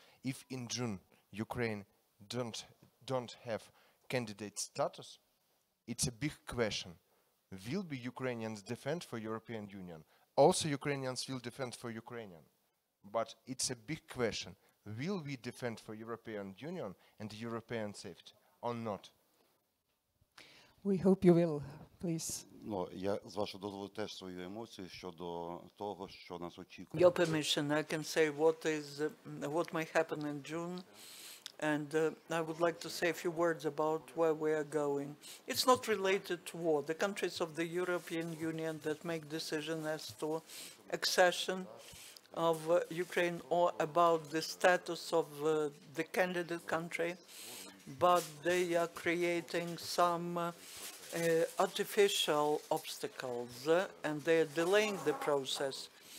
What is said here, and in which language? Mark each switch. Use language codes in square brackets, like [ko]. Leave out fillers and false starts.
[en] If in June Ukraine don't have candidate status, it's a big question. Will be Ukrainians defend for European Union? Also Ukrainians will defend for Ukrainian. But it's a big question. Will we defend for European Union and European safety or not? We hope you will, please. [uk] Ну, я з вашого дозволу теж свою емоцію щодо того, що нас очікує. [en] Your permission, I can say what may happen in June. And I would like to say a few words about where we are going. It's not related to war. The countries of the European Union that make decisions as to accession of Ukraine or about the status of the candidate country, but they are creating some artificial obstacles and they are delaying the process.